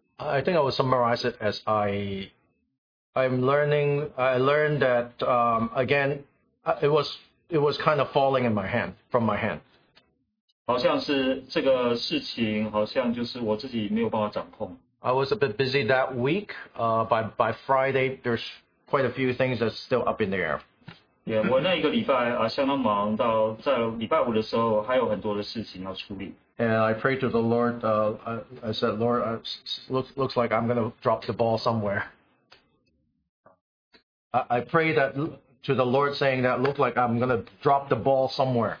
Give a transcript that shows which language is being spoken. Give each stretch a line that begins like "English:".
English: I think I will summarize it as I learned that again it was kind of falling in my hand from my hand.
Chinese: 好像是这个事情好像就是我自己没有办法掌控。
English: I was a bit busy that week. By Friday, there's quite a few things that's still up in the air.
Chinese: Yeah, 我那一个礼拜相当忙，到在礼拜五的时候还有很多的事情要处理。
English: And I prayed to the Lord. I said, Lord, looks like I'm gonna drop the ball somewhere. I pray that to the Lord, saying that looked like I'm gonna drop the ball somewhere.